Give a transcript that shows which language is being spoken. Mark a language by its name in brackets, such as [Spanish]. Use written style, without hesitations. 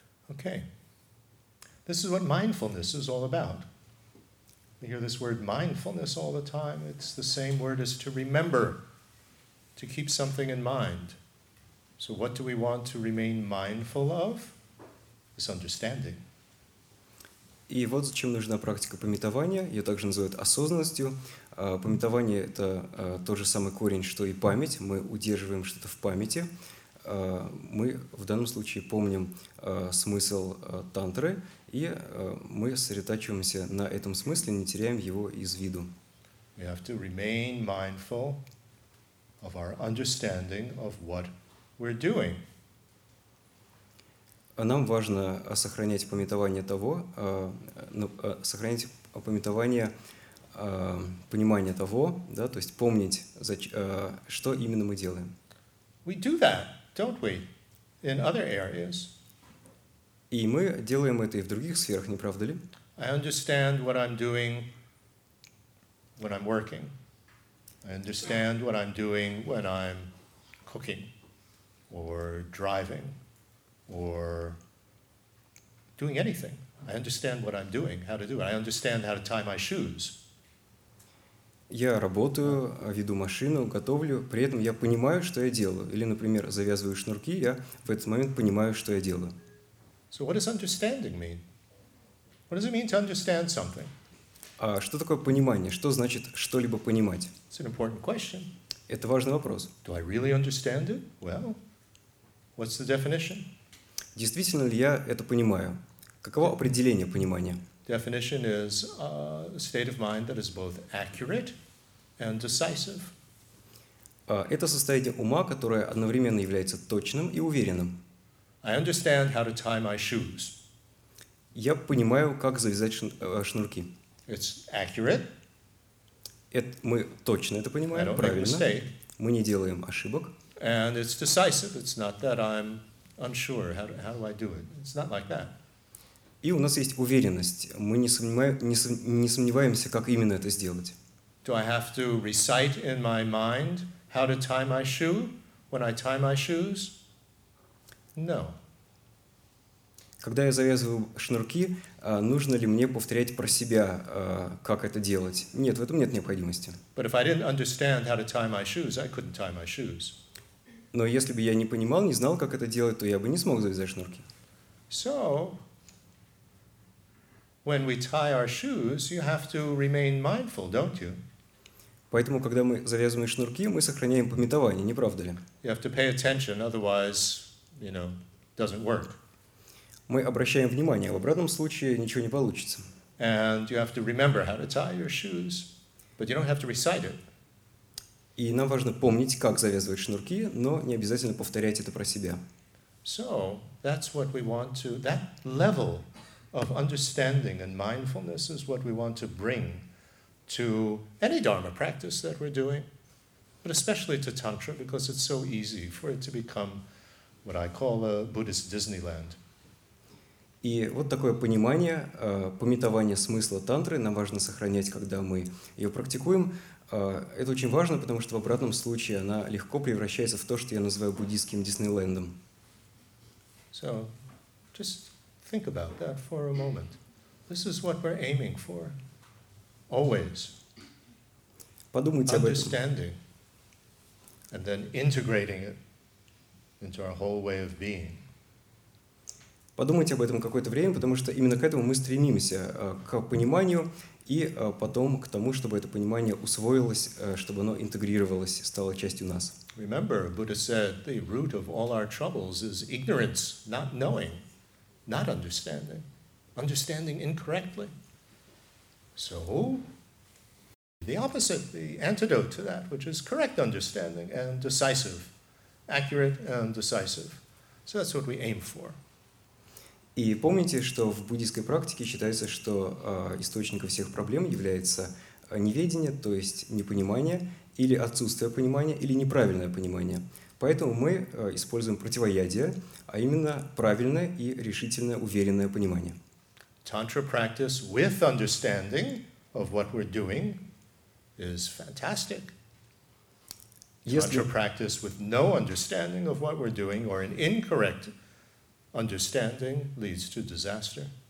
[English] Okay, this is what mindfulness is all about. You hear this word mindfulness all the time. It's the same word as to remember, to keep something in mind. So what do we want to remain mindful of? This understanding. [Russian] И вот зачем нужна практика памятования, ее также называют осознанностью. Памятование – это тот же самый корень, что и память. Мы удерживаем что-то в памяти. Мы в данном случае помним смысл тантры, и мы сосредотачиваемся на этом смысле, не теряем его из виду. [English] We have to remain mindful of our understanding of what we're doing. [Russian] Нам важно сохранять памятование того, сохранять памятование понимания того, да, то есть помнить, что именно мы делаем. [English] We do that. Don't we? In other areas. [Russian] И мы делаем это и в других сферах, не правда ли? [English] I understand what I'm doing when I'm working. I understand what I'm doing when I'm cooking or driving or doing anything. I understand what I'm doing, how to do it. I understand how to tie my shoes. [Russian] Я работаю, веду машину, готовлю, при этом я понимаю, что я делаю. Или, например, завязываю шнурки, я в этот момент понимаю, что я делаю. [English] So what does understanding mean? What does it mean to understand something? [Russian] А что такое понимание? Что значит что-либо понимать? [English] It's an important question. [Russian] Это важный вопрос. [English] Do I really understand it? Well, what's the definition? [Russian] Действительно ли я это понимаю? Каково определение понимания? [English] Definition is a state of mind that is both accurate and decisive. [Russian] Это состояние ума, которое одновременно является точным и уверенным. [English] I understand how to tie my shoes. [Russian] Я понимаю, как завязать шнурки. [English] It's accurate. [Russian] Мы точно это понимаем, правильно. Мы не делаем ошибок. [English] And it's decisive. It's not that I'm unsure. How do I do it? It's not like that. [Russian] И у нас есть уверенность. Мы не сомневаемся, как именно это сделать. [English] Do I have to recite in my mind how to tie my shoe when I tie my shoes? No. [Russian] Когда я завязываю шнурки, нужно ли мне повторять про себя, как это делать? Нет, в этом нет необходимости. [English] But if I didn't understand how to tie my shoes, I couldn't tie my shoes. [Russian] Но если бы я не понимал, не знал, как это делать, то я бы не смог завязать шнурки. [English] So, when we tie our shoes, you have to remain mindful, don't you? [Russian] Поэтому, когда мы завязываем шнурки, мы сохраняем памятование, не правда ли? [English] You have to pay attention, otherwise, you know, doesn't work. [Russian] Мы обращаем внимание, в обратном случае ничего не получится. [English] And you have to remember how to tie your shoes, but you don't have to recite it. [Russian] И нам важно помнить, как завязывать шнурки, но не обязательно повторять это про себя. [English] So, that's what we want to, that level of understanding and mindfulness is what we want to bring to any Dharma practice that we're doing, but especially to Tantra, because it's so easy for it to become what I call a Buddhist Disneyland. [Russian] И вот такое понимание, памятование смысла тантры нам важно сохранять, когда мы ее практикуем. Это очень важно, потому что в обратном случае она легко превращается в то, что я называю буддийским Диснейлендом. [English] So, just think about that for a moment. This is what we're aiming for. Always. [Russian] Подумайте об этом. [English] Understanding and then integrating it into our whole way of being. [Russian] Подумайте об этом какое-то время, потому что именно к этому мы стремимся, к пониманию и потом к тому, чтобы это понимание усвоилось, чтобы оно интегрировалось, стало частью нас. [English] Remember, Buddha said, the root of all our troubles is ignorance, not knowing, not understanding, understanding incorrectly. So, the opposite, the antidote to that, which is correct understanding and decisive, accurate and decisive. So that's what we aim for. [Russian] И помните, что в буддийской практике считается, что источником всех проблем является неведение, то есть непонимание, или отсутствие понимания, или неправильное понимание. Поэтому мы используем противоядие, а именно правильное и решительное, уверенное понимание. [English] Tantra practice with understanding of what we're doing is fantastic. Tantra practice with no understanding of what we're doing or an incorrect understanding leads to disaster.